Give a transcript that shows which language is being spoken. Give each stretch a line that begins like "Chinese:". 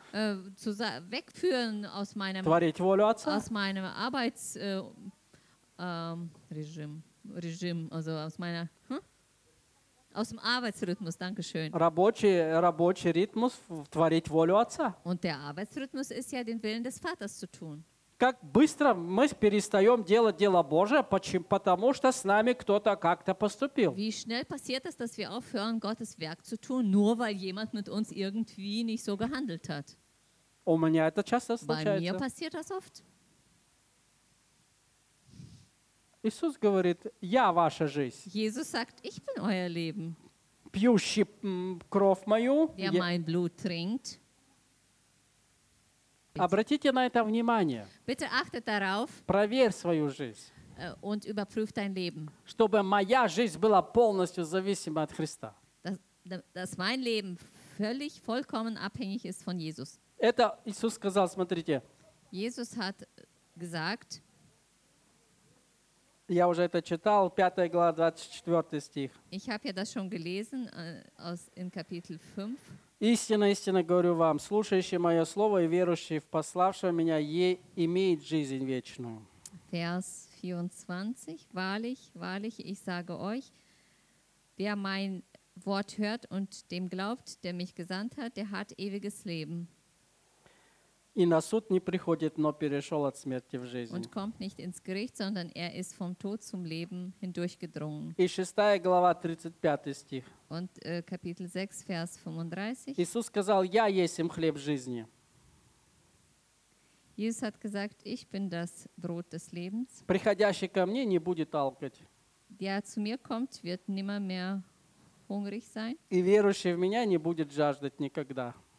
German: Wegführen aus meinem Arbeitsregime, also aus meiner aus dem Arbeitsrhythmus, danke schön.
Russian: Рабочий Rhythmus, творить волю отца.
German: Und der Arbeitsrhythmus ist ja den Willen des Vaters zu tun.
Russian: Как быстро мы перестаем делать дело Божие, почему? Потому что с нами кто-то как-то поступил.
German: Wie schnell passiert es, dass wir aufhören, Gottes Werk zu tun, nur weil jemand mit uns irgendwie nicht so gehandelt hat?
Russian: У меня это часто случается.
German: Bei mir passiert das oft.
Russian: Иисус говорит: «Я ваша жизнь».
German: Jesus sagt: «Ich bin euer Leben».
Russian: Пьющий кровь мою.
German: Wer mein Blut trinkt.
Russian: Обратите на это внимание.
German: Bitte achte darauf.
Russian: Проверь свою жизнь.
German: Und überprüf dein Leben.
Russian: Чтобы моя жизнь была полностью зависима от Христа.
German: Dass mein Leben völlig vollkommen abhängig ist von Jesus.
Russian: Это Иисус сказал, смотрите.
German: Jesus hat gesagt,
Russian: я уже это читал, 5 глава, 24 стих.
German: Ich habe ja das schon gelesen, in Kapitel 5.
Russian: Истинно, истинно говорю вам, слушающий мое слово и верующий в пославшего меня, имеет жизнь вечную.
German: Vers 24, wahrlich, ich sage euch, wer mein Wort hört und dem glaubt, der mich gesandt hat, der hat ewiges Leben.
Russian: И на суд не приходит, но перешел от смерти в жизнь.
German: Und kommt nicht ins Gericht, sondern er ist vom Tod zum Leben hindurchgedrungen.
Russian: И 6 глава, 35 стих.
German: Und Kapitel 6, Vers 35.
Russian: Иисус сказал: «Я есмь хлеб жизни».
German: Jesus hat gesagt: «Ich bin das Brot des Lebens».
Russian: Приходящий ко мне не будет алкать.
German: Der zu mir kommt, wird nimmer mehr hungrig sein.
Russian: И верующий в меня не будет жаждать никогда.